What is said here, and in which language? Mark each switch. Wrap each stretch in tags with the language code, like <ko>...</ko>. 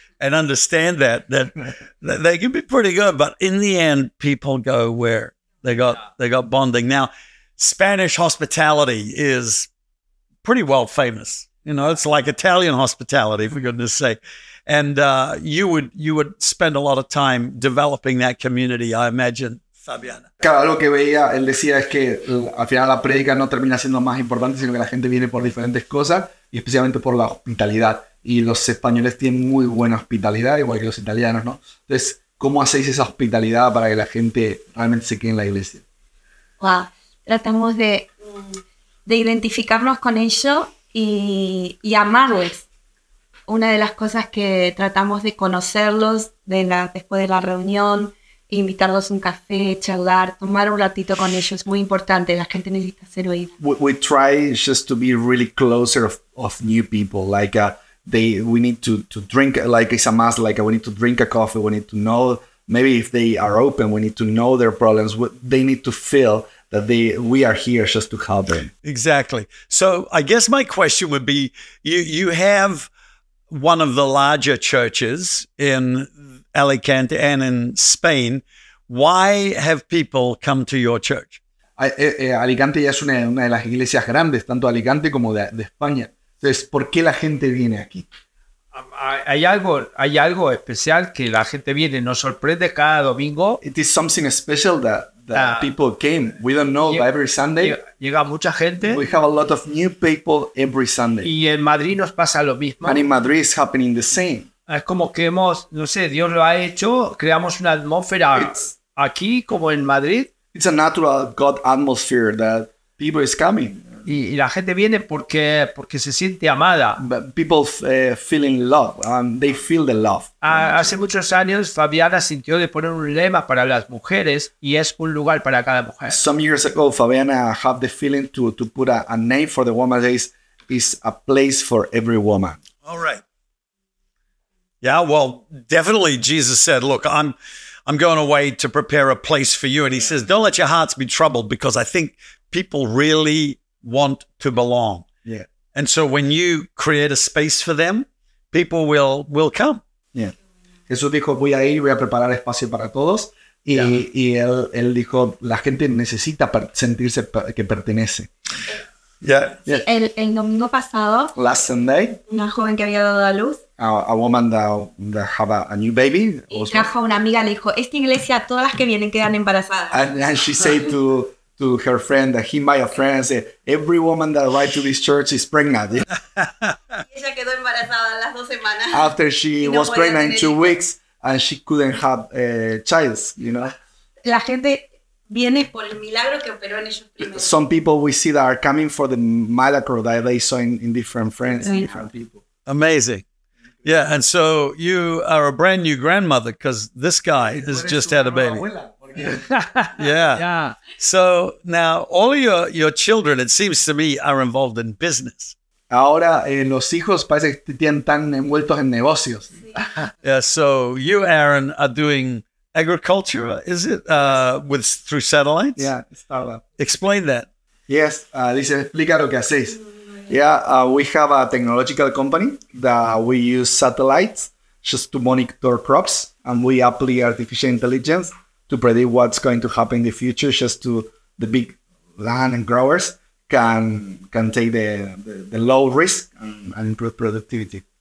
<en>and understand that, that they can be pretty good. But in the end, people go where they got they got bonding. Now, Spanish hospitality is pretty well famous. You know, it's like Italian hospitality, for goodness sake. And you would spend a lot of time developing that community, I imagine, Fabiana.</en> <es>Claro, algo que veía, él decía es que al final la prédica no termina siendo más importante, sino que la gente viene por diferentes cosas y especialmente por la hospitalidad. Y los españoles tienen muy buena hospitalidad, igual que los italianos, ¿no? Entonces, ¿cómo hacéis esa hospitalidad para que la gente realmente se quede en la iglesia? Wow, tratamos de identificarnos con ellos y amarles. Una de las cosas que tratamos de conocerlos después de la reunión, invitarlos a un café, charlar, tomar un ratito con ellos, es muy importante, la gente necesita ser oída.</es> <en>We try just to be really closer of new people, like we need to drink, like it's a must, like we need to drink a coffee, we need to know, maybe if they are open, we need to know their problems, they need to feel that we are here just to help them. Exactly. So I guess my question would be, you have one of the larger churches in Alicante and in Spain. Why have people come to your church?</en> <es>Alicante ya es una de las iglesias grandes, tanto Alicante como de España. Entonces, ¿por qué la gente viene aquí? Hay algo especial que la gente viene, nos sorprende cada domingo.</es> <en>It is something special that people came. We don't know, but every Sunday</en> <es>llega mucha gente.</es> <en>We have a lot of new people every Sunday.</en> <es>Y en Madrid nos pasa lo mismo.</es> <en>And in Madrid it's happening the same.</en> <es>Es como que hemos, no sé, Dios lo ha hecho, creamos una atmósfera aquí como en Madrid.</es> <en>It's a natural God atmosphere that people is coming.</en> <es>Y la gente viene porque se siente amada.</es> <en>But people feeling love, they feel the love.</en> <es>Hace muchos años Fabiana sintió de poner un lema para las mujeres y es un lugar para cada mujer.</es> <en>Some years ago Fabiana had the feeling to put a name for the woman that is a place for every woman. All right. Yeah, well, definitely Jesus said, look, I'm going away to prepare a place for you. And he says, don't let your hearts be troubled because I think people really want to belong. Yeah. And so when you create a space for them, people will come. Yeah.</en> <es>Jesús dijo, voy a ir, voy a preparar espacio para todos. Y él dijo, la gente necesita sentirse que pertenece.</es> <en>Yeah.</en> <es>El domingo pasado,</es> <en>last Sunday,</en> <es>una joven que había dado a luz,</es> <en>a woman that have a new baby,</en> <es>also, trajo a una amiga, le dijo, esta iglesia, todas las que vienen quedan embarazadas.</es> <en>And she said to her friend, that he might a friend, say, every woman that arrived to this church is pregnant.</en> <es>Y ella quedó embarazada las dos semanas.</es> <en>After she was pregnant in 2 weeks, and she couldn't have child, you know.</en> <es>La gente viene por el milagro que operó en ellos primero.</es> <en>Some people we see that are coming for the miracle that they saw in different friends, mm-hmm. different people. Amazing. Yeah, and so you are a brand new grandmother because this guy has just had a baby. Abuela, yeah. Yeah. So now all your children, it seems to me, are involved in business.</en> <es>Ahora los hijos parece que tienen tan envueltos en negocios. Sí.</es> <en>Yeah. So you, Aaron, are doing agriculture, is it? Through satellites? Yeah, startup. Explain that.</en> <es>Yes, dice, explica lo que hacéis.</es> <en>Yeah, we have a technological company that we use satellites just to monitor crops, and we apply artificial intelligence to predict what's going to happen in the future, just to the big land and growers can take the low risk and improve productivity.</en>